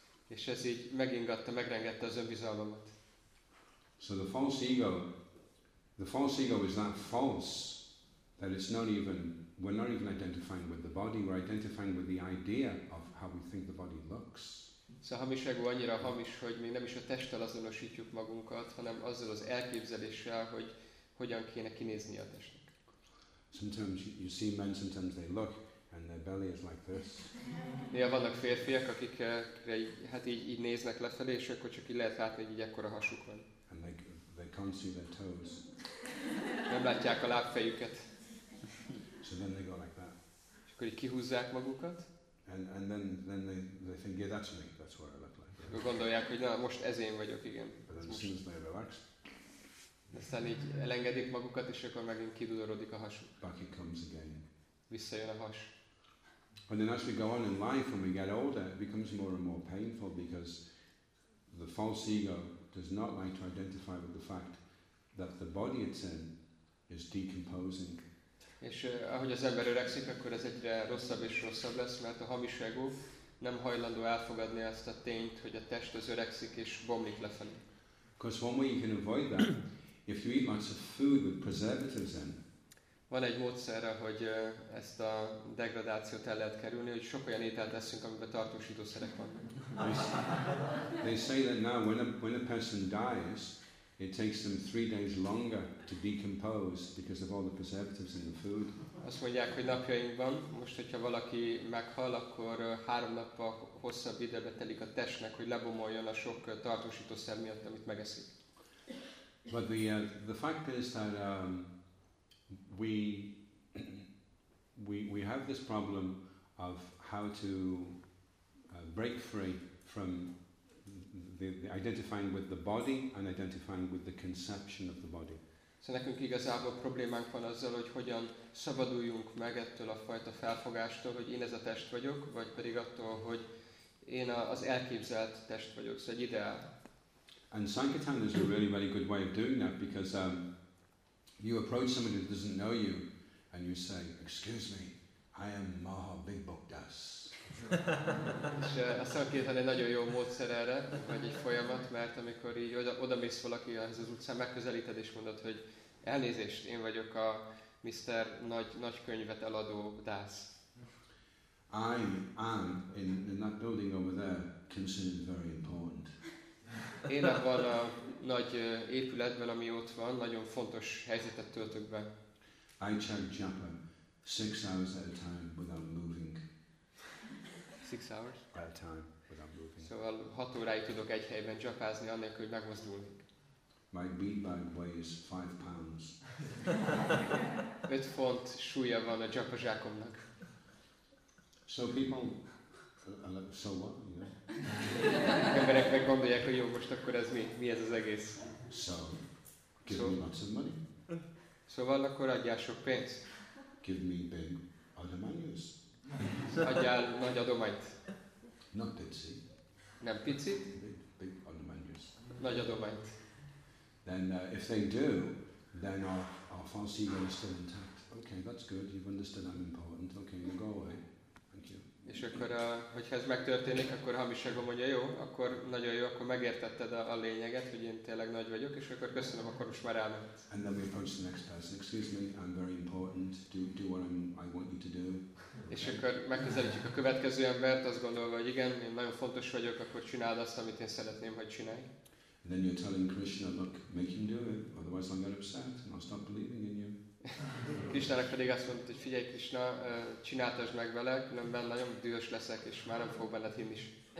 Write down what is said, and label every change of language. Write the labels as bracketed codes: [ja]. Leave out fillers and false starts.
[hu] És ez így megingatta, megrengette az önbizalmamat. [en] So the false ego is that false that it's not even, we're not even identifying with the body, we're identifying with the idea of how we think the body looks. [hu] Szóval a hamis ego annyira hamis, hogy még nem is a testtel azonosítjuk magunkat, hanem azzal az elképzeléssel, hogy hogyan kéne kinézni a testnek. [en] Sometimes you see men, sometimes they look and their belly is like this. [hu] Néha vannak férfiak, akik így néznek lefelé, és akkor csak így lehet látni, hogy így ekkora hasuk van. [en] And they can't see their toes. [hu] Nem látják a lábfejüket. [en] So then they go like that. [hu] És akkor így kihúzzák magukat. [en] And then they think, yeah, that's me. That's what I look like. [hu] Gondolják, hogy na, most ez én vagyok, igen. [en] But then as soon as they relax, [hu] aztán így elengedik magukat, és akkor megint kidudorodik a has. [en] Back it comes again. [hu] Visszajön a has. [en] And then as we go on in life and we get older, it becomes more and more painful because the false ego does not like to identify with the fact that the body it's in is decomposing. [hu] És ahogy az ember öregszik, akkor ez egyre rosszabb és rosszabb lesz, mert a hamis ego nem hajlandó elfogadni ezt a tényt, hogy a test az öregszik és bomlik lefelé. [en] Because one way you can avoid that, if you eat lots of food with preservatives in. [hu] Van egy módszer, hogy ezt a degradációt el lehet kerülni, hogy sok olyan ételt eszünk, amiben tartósítószerek vannak. [en] They say that now when a person dies, it takes them 3 days longer to decompose because of all the preservatives in the food. [hu] Azt mondják, hogy napjainkban, most hogyha valaki meghal, akkor 3 nappal hosszabb időbe telik a testnek, hogy lebomoljon a sok tartósítószer miatt, amit megeszik. [en] But the fact is that we have this problem of how to break free from the identifying with the body and identifying with the conception of the body. [hu] So nekünk igazából problémánk van azzal, hogy hogyan szabaduljunk meg ettől a fajta felfogástól, hogy én ez a test vagyok, vagy pedig attól, hogy én az elképzelt test vagyok, szóval egy ideál. [en] And Sankirtan is a really, really good way of doing that because you approach somebody who doesn't know you and you say, excuse me, I am Maha Big Bogdas. [hu] És a Sankirtan egy nagyon jó módszer erre, vagy egy folyamat, mert amikor így oda mész valaki ahhoz az utcán, megközelíted és mondod, hogy elnézést, én vagyok a Mr. Nagy könyvet eladó Das. [en] I am in that building over there considered very important. [hu] Én abban a nagy épületben, ami ott van, nagyon fontos helyzetet töltök be. [en] I chant japa 6 hours at a time without moving. 6 hours? At a time without moving. [hu] Szóval 6 óráig tudok egy helyben japázni, anélkül, hogy megmozdulnék. [en] My beanbag weighs 5 pounds. [hu] 5 font súlya van a japa zsákomnak. [en] So people, so what, you know? [hu] Emberek meggondolják, hogy jó, most akkor ez mi ez az egész? [en] So, give me lots of money. [hu] Szóval akkor adjál sok pénzt. [en] Give me big adományos. [hu] Adjál nagy adományt. [en] Not pici. [hu] Nem pici. [en] Big adományos. [hu] Nagy adományt. [en] Then if they do, then our false ego is still intact. Okay, that's good. You've understood I'm important. Okay, you go away. Thank you. [hu] És akkor, hogyha ez megtörténik, akkor hamiságom, mondja, jó, akkor nagyon jó, akkor megértetted a lényeget, hogy én tényleg nagy vagyok, és akkor köszönöm, akkor most már elment. [en] And then we approach the next person. Excuse me, I'm very important. Do what I want you to do. [hu] És akkor megközelítjük a következő embert, azt gondolva, hogy igen, én nagyon fontos vagyok, akkor csináld azt, amit én szeretném, hogy csinálj. [en] And then you're telling Krishna, look, make him do it, otherwise I'll get upset and I'll stop believing in you. [hu] Krishnának pedig azt mondta, hogy figyelj Krishna, csináltasd meg vele, különben nagyon dühös leszek és már nem fog benned hinni is.